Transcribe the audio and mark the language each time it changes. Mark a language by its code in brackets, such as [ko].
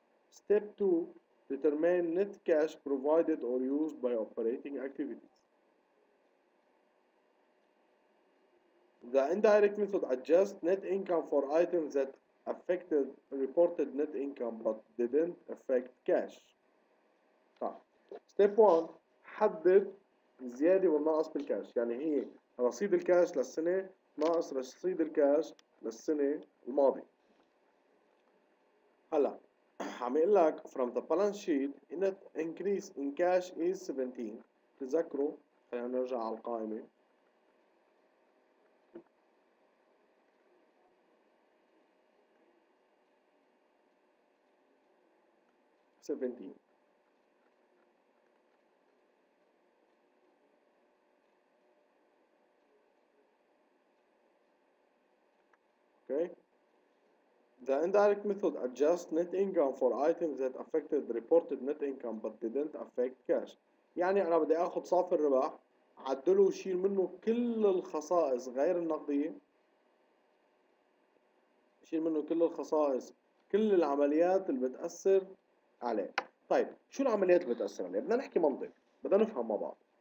[en] Step 2 determine net cash provided or used by operating activities. The indirect method adjusts net income for items that affected reported net income but didn't affect cash. [ar] Step 1 حدد الزيادة والنقص بالكاش، يعني هي رصيد الكاش للسنة ناقص رصيد الكاش للسنة الماضية. هلا عم يقول لك [en] from the balance sheet net increase in cash is 17. [ar] تذكروا خلينا نرجع على القائمة. [en] Okay. The indirect method adjusts net income for items that affected reported net income but didn't affect cash. [ar] يعني أنا بدي أخذ صافي الربح، عدله وشيل منه كل الخصائص غير النقدية، شيل منه كل الخصائص، كل العمليات اللي بتأثر عليه. طيب شو العمليات اللي بتأثر عليها؟ بدنا نحكي منطق، بدنا نفهم مع بعض.